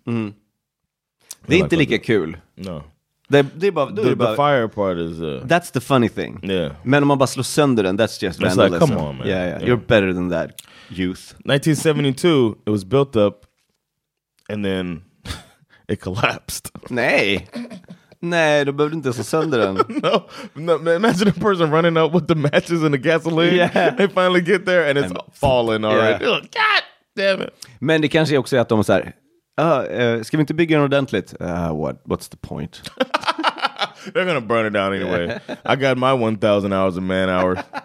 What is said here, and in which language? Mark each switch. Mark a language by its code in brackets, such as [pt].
[sv] Mm. Det är inte lika kul. [en] No. The fire part is... That's the funny thing. Yeah. [sv] Men om man bara slår sönder den, [en] that's just vandalism. It's like, come on, man. Yeah. You're better than that, youth. 1972, it was built up, and then it collapsed. [sv] Nej, då behöver du inte slå sönder den. [en] No, imagine a person running up with the matches and the gasoline. Yeah. They finally get there, and it's falling, all right? Yeah. God damn it. [sv] Men det kanske också är att de är så här... ska vi inte bygga den ordentligt? [en] What's the point? They're gonna burn it down anyway. I got my 1,000 hours of man hours.